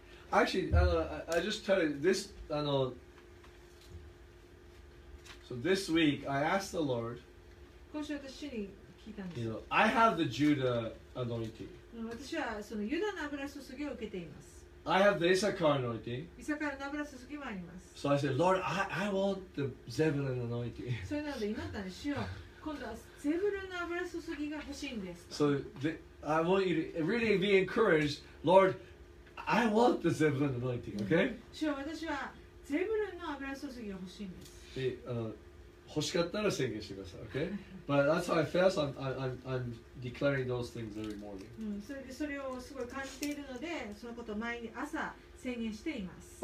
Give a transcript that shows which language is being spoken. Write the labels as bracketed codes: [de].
[en] Actually, I just tell you, this, so this week, I asked the Lord, [ja] 今週私主に聞いたんです。 [en] You know, I have the Judah anointing. [ja] 私はそのユダの油注ぎを受けています。 [en] I have the Issachar anointing. [ja] イサカルの油注ぎもあります。 [en] So I said, Lord, I want the Zebulun anointing. [ja] それなので祈ったんです。主よ、今度はゼブルンの油注ぎが欲しいんです。 [en] So, I want you to really be encouraged, Lord. I want the Zebulun anointing, okay? [ja] 主は私はゼブルンの油注ぎが欲しいんです。 [en] Okay? [ja] テーブルの油注ぎが欲しいんです。で、欲しかったら宣言してください。 [en] Okay? But that's how I fast. I'm declaring those things every morning. [ja] それをすごい感じているので、そのことを毎朝宣言しています。